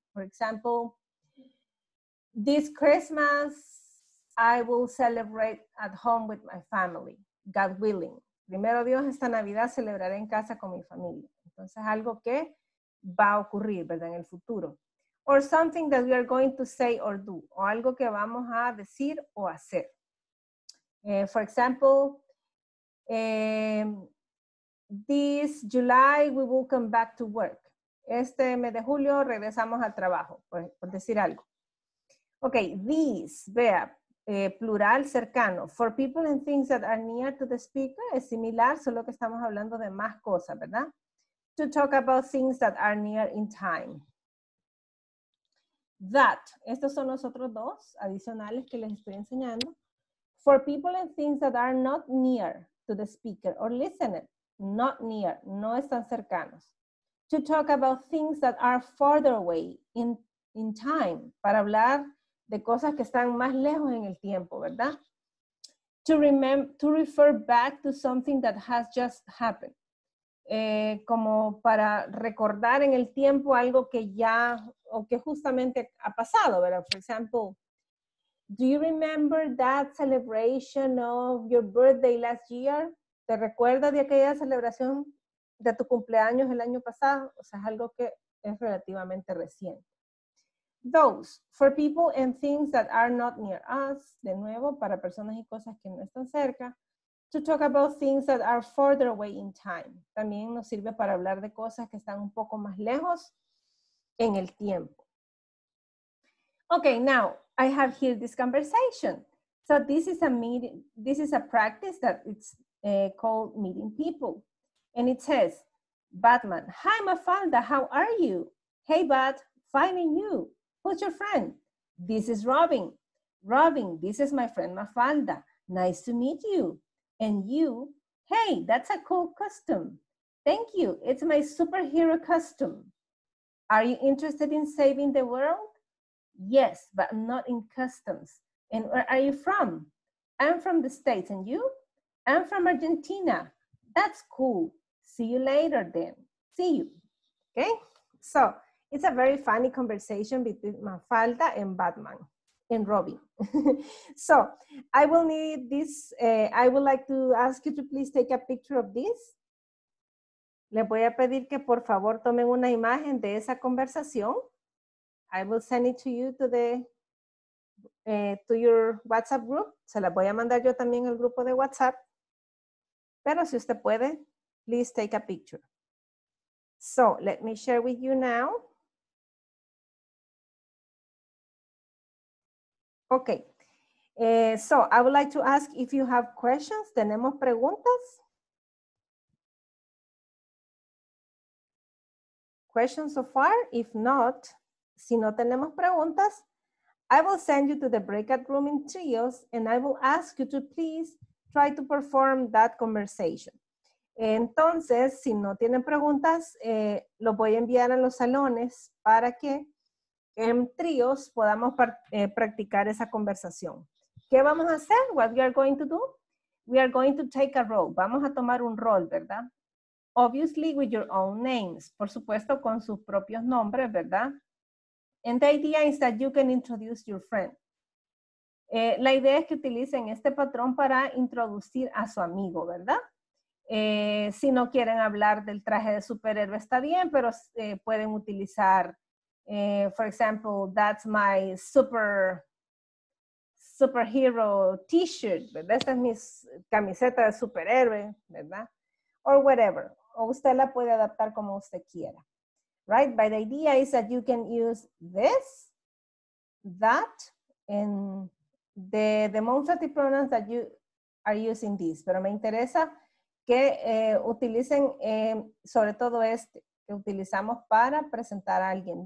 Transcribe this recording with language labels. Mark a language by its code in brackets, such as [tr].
[en] For example, this Christmas I will celebrate at home with my family, God willing. [es] Primero Dios, esta Navidad celebraré en casa con mi familia. Entonces, algo que va a ocurrir, ¿verdad? En el futuro. [en] Or something that we are going to say or do. [es] O algo que vamos a decir o hacer. [en] For example, this July we will come back to work. [es] Este mes de julio regresamos al trabajo, por decir algo. Ok, these, vea. Plural cercano. [en] For people and things that are near to the speaker [es] es similar, solo que estamos hablando de más cosas, ¿verdad? [en] To talk about things that are near in time. That. [es] Estos son los otros dos adicionales que les estoy enseñando. [en] For people and things that are not near to the speaker or listener. Not near. [es] No están cercanos. [en] To talk about things that are farther away in time. [es] Para hablar de cosas que están más lejos en el tiempo, ¿verdad? [en] To refer back to something that has just happened. [es] Como para recordar en el tiempo algo que ya, o que justamente ha pasado, ¿verdad? [en] For example, do you remember that celebration of your birthday last year? [es] ¿Te recuerdas de aquella celebración de tu cumpleaños el año pasado? O sea, es algo que es relativamente reciente. [en] Those, for people and things that are not near us, [es] de nuevo, para personas y cosas que no están cerca. [en] To talk about things that are further away in time. [es] También nos sirve para hablar de cosas que están un poco más lejos en el tiempo. [en] Okay, now, I have here this conversation. So this is a meeting, this is a practice that it's called meeting people. And it says, Batman, hi Mafalda, how are you? Hey Bat, fine and you? Who's your friend? This is Robin. Robin, this is my friend Mafalda. Nice to meet you. And you? Hey, that's a cool costume. Thank you. It's my superhero costume. Are you interested in saving the world? Yes, but not in customs. And where are you from? I'm from the States. And you? I'm from Argentina. That's cool. See you later then. See you. Okay? So, it's a very funny conversation between Mafalda and Batman, and Robin. So, I will need this, I would like to ask you to please take a picture of this. [es] Le voy a pedir que por favor tomen una imagen de esa conversación. [en] I will send it to you to the, to your WhatsApp group. [es] Se la voy a mandar yo también al grupo de WhatsApp. Pero si usted puede, [en] please take a picture. So, let me share with you now. Okay, so I would like to ask if you have questions. [es] ¿Tenemos preguntas? [en] Questions so far? If not, [es] si no tenemos preguntas, [en] I will send you to the breakout room in trios and I will ask you to please try to perform that conversation. [es] Entonces, si no tienen preguntas, lo voy a enviar a los salones para que en tríos podamos practicar esa conversación. ¿Qué vamos a hacer? [en] What we are going to do? We are going to take a role. [es] Vamos a tomar un rol, ¿verdad? [en] obviously with your own names, [es] por supuesto con sus propios nombres, ¿verdad? [en] And the idea is that you can introduce your friend. [es] La idea es que utilicen este patrón para introducir a su amigo, ¿verdad? Si no quieren hablar del traje de superhéroe, está bien, pero pueden utilizar, [en] for example, that's my superhero t-shirt, [es] ¿verdad? Esta es mi camiseta de superhéroe, ¿verdad? [en] Or whatever. [es] O usted la puede adaptar como usted quiera. [en] Right? But the idea is that you can use this, that, and the demonstrative pronouns that you are using this. [es] Pero me interesa que utilicen sobre todo este, que utilizamos para presentar a alguien.